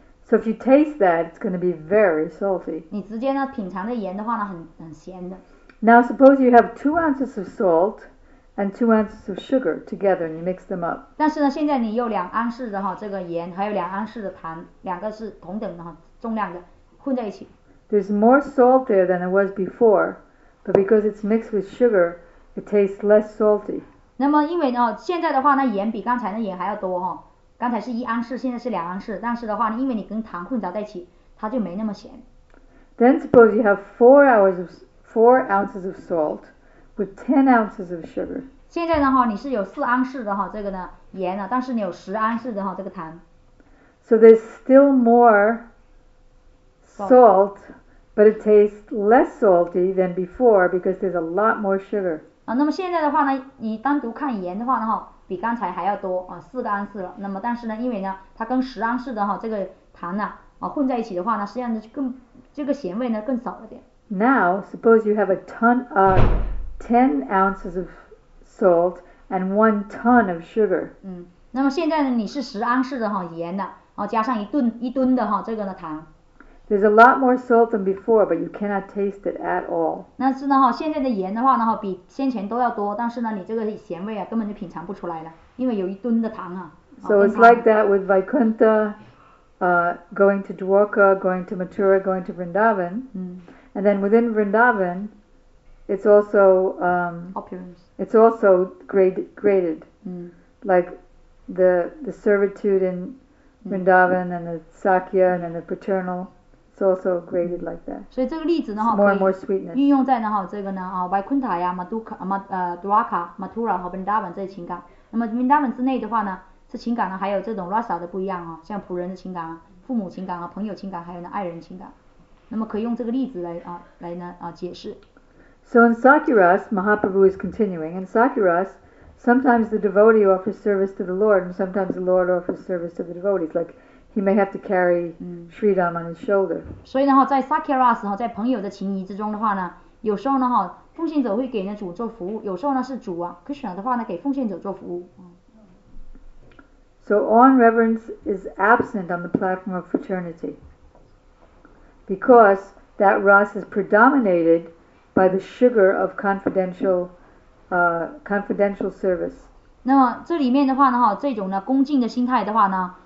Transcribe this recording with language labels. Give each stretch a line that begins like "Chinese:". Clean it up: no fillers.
English: So if you taste that, it's going to be very salty.
Chinese: 你直接呢品尝的盐的话呢，很咸的。
English: Now suppose you have 2 ounces of salt and 2 ounces of sugar together, and you mix them up.
Chinese: 但是呢，现在你有两盎司的哈这个盐，还有两盎司的糖，两个是同等的哈重量的，混在一起。
English: There's more salt there than there was before, but because it's mixed with sugar, it tastes less salty.
Chinese: 那么因为呢，现在的话呢，盐比刚才的盐还要多哈。刚才是一盎司，现在是两盎司，但是的话呢，因为你跟糖混杂在一起，它就没那么咸。
English: Then suppose you have four ounces of salt with 10 ounces of sugar.
Chinese: 现在的话，你是有四盎司的哈，这个呢盐呢，但是你有十盎司的哈这个糖。
English: So there's still more salt, but it tastes less salty than before because there's a lot more sugar.
Chinese: 啊，那么现在的话呢，你单独看盐的话呢哈。比刚才还要多啊，四个盎司了。那么但是呢，因为呢，它跟十盎司的哈这个糖呢啊混在一起的话呢，实际上呢更这个咸味呢更少了点。
English: Now suppose you have a ton of 10 ounces of salt and 1 ton of sugar.
Chinese: 嗯，那么现在呢，你是十盎司的哈盐的，哦、啊、加上一吨的哈这个呢糖。
English: There's a lot more salt than before, but you cannot taste it at all.
Chinese: 那是呢哈，现在的盐的话呢哈，比先前都要多，但是呢，你这个咸味啊，根本就品尝不出来了，因为有一吨的糖啊。
English: So it's like that with Vaikuntha, going to Dwarka, going to Mathura, going to Vrindavan. 嗯。 And then within Vrindavan, it's also opulence. It's also graded. 嗯。 Like the servitude in Vrindavan and the Sakya and then the paternal. It's also graded like that.
Chinese: 所以这个例子呢哈，可以运用在呢哈这个呢啊 ，Vaikuntha 呀 ，Dwarka、Mathura 和 Vrindavan 这些情感。那么 Vrindavan 之内的话呢，是情感呢，还有这种 rasa 的不一样啊，像仆人的情感啊、父母情感啊、朋友情感，还有呢爱人情感。那么可以用这个例子来啊来呢啊解释。
English: So in Sakyaras, Mahaprabhu is continuing. In Sakyaras, sometimes the devotee offers service to the Lord, and sometimes the Lord offers service to the devotees, like. He may have to carry Sridham on his shoulder.
Chinese: 所以呢哈，在 Sakyaras 哈，在朋友的情谊之中的话呢，有时候呢哈，奉献者会给呢主做服务，有时候呢是主啊 Krishna 的话呢给奉献者做服务。
English: So awe and reverence is absent on the platform of fraternity because that ras is predominated by the sugar of confidential service.
Chinese: 那么这里面的话呢哈，这种呢恭敬的心态的话呢。